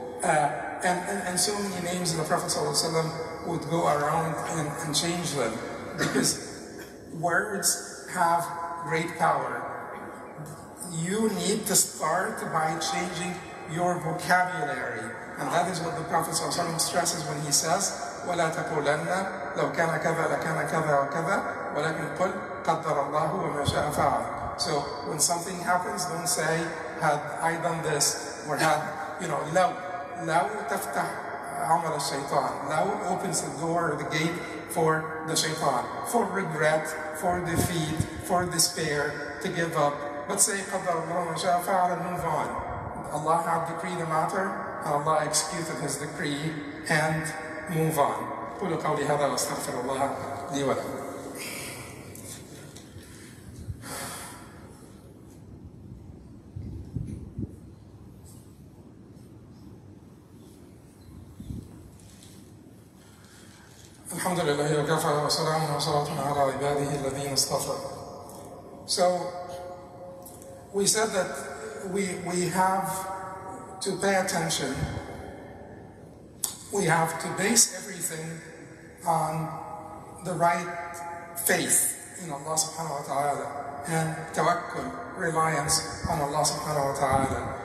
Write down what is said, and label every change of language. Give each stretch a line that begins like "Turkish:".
English: And so many names the Prophet ﷺ would go around and change them. Because words have great power. You need to start by changing your vocabulary. And that is what the Prophet ﷺ stresses when he says,
Arabic: وَلَا تَقُولَنَّ لَوْ كَانَ كَذَا لَكَانَ كَذَا وَكَذَا وَلَكِنْ قُلْ قَدَّرَ اللَّهُ وَمَا شَاءَ فَعَلَ.
English: So when something happens, don't say, "Had I done this," or "Had," you know, now
Arabic: taftah amal al-shaytan.
English: Now opens the door, the gate for the shaytan. For regret, for defeat, for despair, to give up. But say
Arabic: qadar Allah wa shaa fa'al
English: and move on. Allah had decreed the matter, and Allah executed his decree, and move on.
Arabic: قولوا قولي هذا واستغفر الله لي ولكم. الحمد لله وكفى وسلام وصلاة على عباده الذين اصطفى.
English: So we said that we have to pay attention. We have to base everything on the right faith in Allah subhanahu wa ta'ala and tawakkul, reliance on Allah subhanahu wa ta'ala.